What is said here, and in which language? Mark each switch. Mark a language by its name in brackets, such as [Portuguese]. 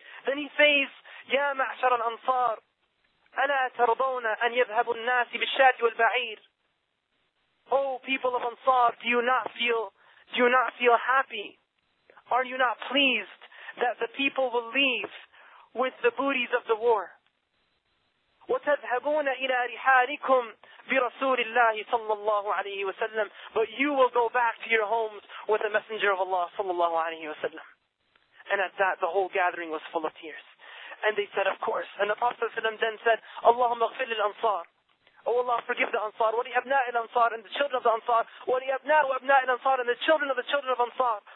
[English] Then he says, [Arabic] Ya ma'ashara al-Ansar, ألا ترضون أن يذهب الناس بالشات والبعير؟ [English] Oh, people of Ansar, do you not feel happy? Are you not pleased that the people will leave with the booties of the war? [Arabic] وتذهبون إلى رحالكم في رسول الله صلى الله عليه وسلم. [English] But you will go back to your homes with the messenger of Allah صلى الله عليه وسلم. And at that, the whole gathering was full of tears. And they said, of course. And the Prophet ﷺ then said, [Arabic] Allahumma ighfir lil ansar. [English] Oh Allah, forgive the Ansar, [Arabic] wa li abna'il Ansar, [English] and the children of the Ansar, [Arabic] wa li abna'u abna'il Ansar, [English] and the children of the children of Ansar.